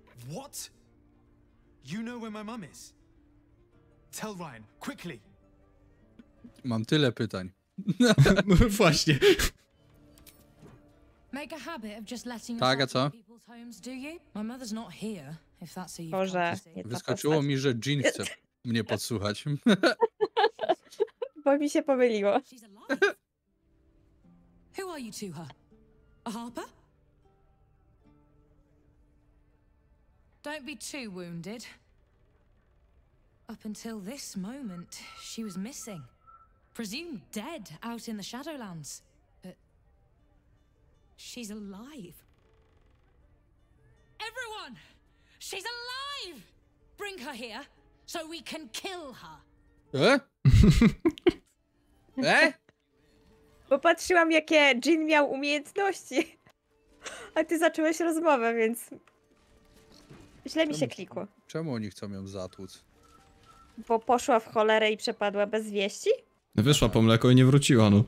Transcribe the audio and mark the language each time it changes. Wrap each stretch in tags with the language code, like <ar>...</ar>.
<en>What? You know where my mom is? Tell Ryan, quickly.</en> <pl>Mam tyle pytań. No właśnie.</pl> <en>Make a habit of just letting</en> <pl>tak, a co?</pl> <en>Homes, do you? My mother's not here, if that's a you.</en> <pl>Boże, wyskoczyło mi, że Jean chce mnie podsłuchać. Bo mi się pomyliło.</pl> <en>Who are you to her? A harper? Don't be too wounded. Up until this moment, she was missing. Presumed dead out in the Shadowlands. But she's alive. Everyone! She's alive! Bring her here so we can kill her. Eh?</en> <pl>Popatrzyłam, jakie Jean miał umiejętności, a ty zacząłeś rozmowę, więc źle mi się klikło. Czemu oni chcą ją zatłuc? Bo poszła w cholerę i przepadła bez wieści? Wyszła po mleko i nie wróciła, no.</pl>